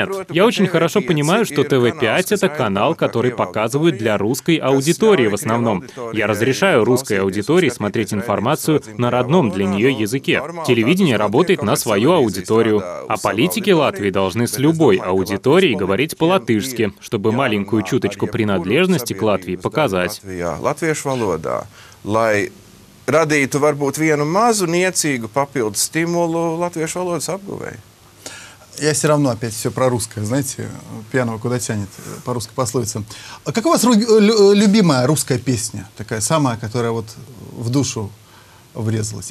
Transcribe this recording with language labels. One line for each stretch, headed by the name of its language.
Russian: Я очень хорошо понимаю, что ТВ-5 — это канал, который показывают для русской аудитории в основном. Я разрешаю русской аудитории смотреть информацию на родном для нее языке. Телевидение работает на свою аудиторию. А политики Латвии должны с любой аудиторией говорить по-латышски, чтобы маленькую чуточку принадлежности к Латвии показать.
Latvian: Латвиешу валодā, lai radītu varbūt vienu mazu niecīgu papildu stimulu latviešu valodas apguvei.
Russian: Я все равно опять все про русское, знаете, пьяного куда тянет, по русской пословице. А как у вас любимая русская песня, такая самая, которая вот в душу врезалась?